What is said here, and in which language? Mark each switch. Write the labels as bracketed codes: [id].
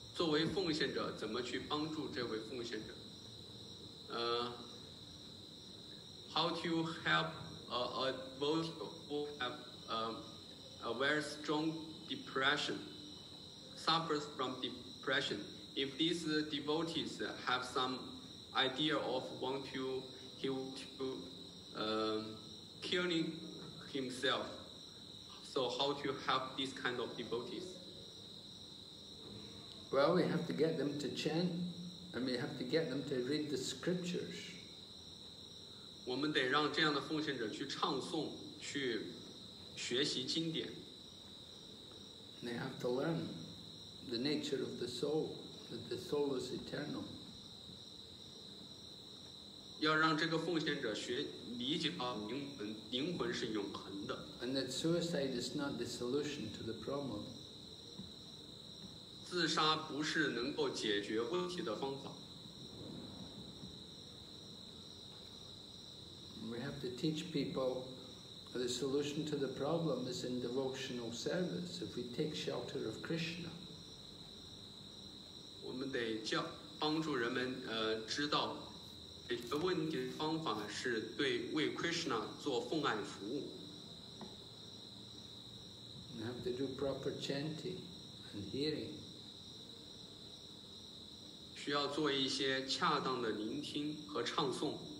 [zh] 怎么去帮助一个患抑郁症的奉献者？如果对方有轻生的想法，作为奉献者，怎么去帮助这位奉献者？ [en] How to help a devotee who have a very strong depression, suffers from depression? If these devotees have some idea of want to kill himself, so how to help these kind of devotees? Well, we have to get them to chant, and we have to get them to read the scriptures. [zh] 我们得让这样的奉献者去唱诵，去学习经典。 [en] They have to learn the nature of the soul, that the soul is eternal. [zh] 要让这个奉献者学理解啊，灵魂是永恒的。 [en] And that suicide is not the solution to the problem. [zh] 自杀不是能够解决问题的方法。 [en] We have to teach people. The solution to the problem is in devotional service. If we take shelter of Krishna, [zh] 我们得教帮助人们知道解决问题的方法是对为 Krishna 做奉爱服务。 [en] We have to do proper chanting and hearing. [zh] 需要做一些恰当的聆听和唱诵。